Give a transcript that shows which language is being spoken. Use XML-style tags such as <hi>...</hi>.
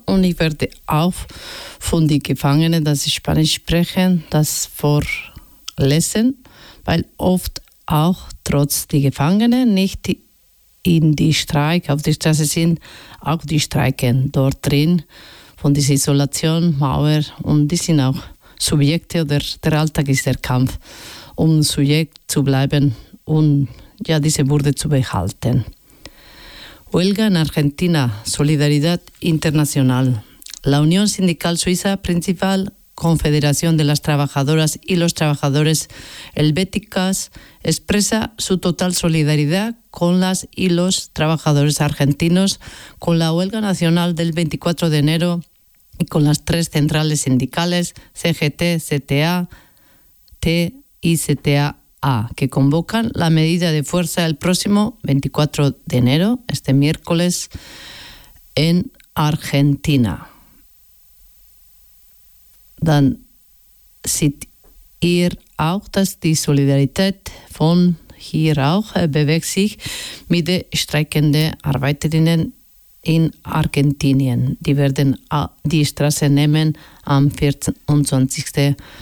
<de>Und ich werde auch von den Gefangenen, dass sie Spanisch sprechen, das vorlesen, weil oft auch trotz der Gefangenen nicht in die Streik auf der Straße sind, auch die streiken dort drin von dieser Isolation, Mauer, und die sind auch Subjekte, oder der Alltag ist der Kampf, um Subjekt zu bleiben und ja, diese Würde zu behalten.</de> <es>Huelga in Argentina, Solidaridad Internacional. La Unión Sindical Suiza, principal confederación de las trabajadoras y los trabajadores helvéticas, expresa su total solidaridad con las y los trabajadores argentinos con la huelga nacional del 24 de enero y con las tres centrales sindicales, CGT, CTA, T y CTAA, que convocan la medida de fuerza el próximo 24 de enero, este miércoles, en Argentina.</es> <de>Dann seht ihr auch, dass die Solidarität von hier auch bewegt sich mit den streikenden Arbeiterinnen in Argentinien. Die werden die Straße nehmen am 24.</de>